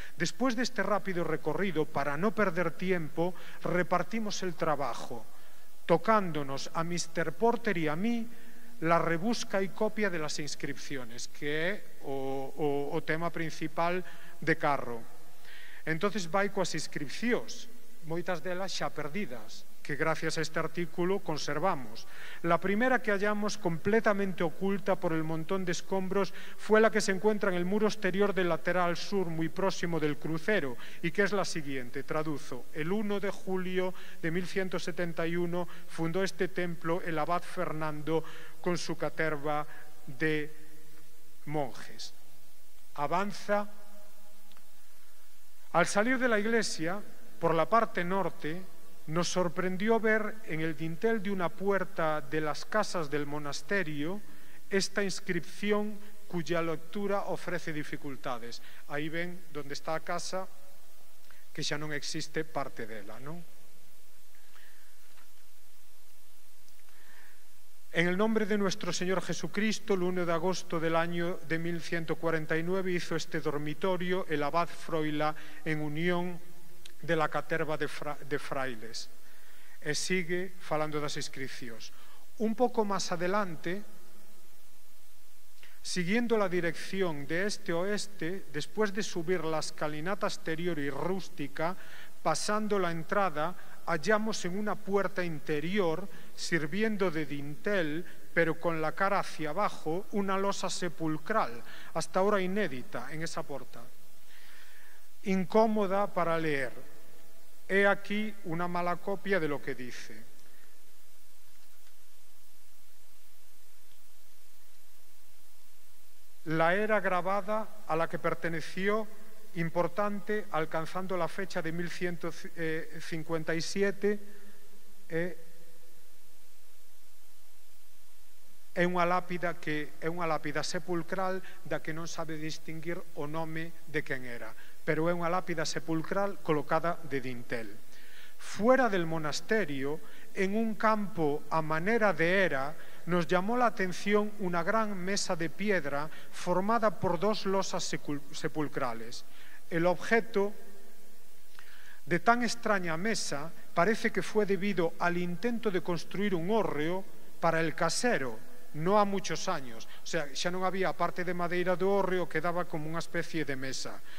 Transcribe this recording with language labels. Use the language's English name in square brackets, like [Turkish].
[Spanish] Después de este rápido recorrido, para no perder tiempo, repartimos el trabajo, tocándonos a Mr. Porter y a mí la rebusca y copia de las inscripciones, que es [Galician] o tema principal de carro. Entonces vai coas inscripcións, moitas delas xa perdidas, que gracias a este artículo conservamos. [Spanish] La primera que hallamos completamente oculta por el montón de escombros fue la que se encuentra en el muro exterior del lateral sur, muy próximo del crucero, y que es la siguiente, traduzo: el 1 de julio de 1171 fundó este templo el abad Fernando con su caterva de monjes. Avanza. Al salir de la iglesia, por la parte norte, nos sorprendió ver en el dintel de una puerta de las casas del monasterio esta inscripción cuya lectura ofrece dificultades. Ahí ven donde está la casa, que ya no existe parte de ella, ¿no? En el nombre de nuestro Señor Jesucristo, el 1 de agosto del año de 1149 hizo este dormitorio el abad Froila en unión de la caterva de frailes. [Galician] E sigue falando das inscripcións. Un pouco máis adelante, [Spanish] siguiendo la dirección de este oeste, después de subir la escalinata exterior y rústica, pasando la entrada, hallamos en una puerta interior, sirviendo de dintel, pero con la cara hacia abajo, una losa sepulcral, hasta ahora inédita en esa puerta. Incómoda para leer. He aquí una mala copia de lo que dice. La era grabada a la que perteneció, importante, alcanzando la fecha de 1157, es una lápida sepulcral de la que no sabe distinguir [Galician] o nome [Spanish] de quién era. [Galician] Pero é unha lápida sepulcral colocada de dintel. [Spanish] Fuera del monasterio, en un campo a manera de era, nos llamó la atención una gran mesa de piedra formada por dos losas sepulcrales. El objeto de tan extraña mesa parece que fue debido al intento de construir un hórreo para el casero, no a muchos años, o sea, ya no había parte de madera de hórreo, quedaba como una especie de mesa.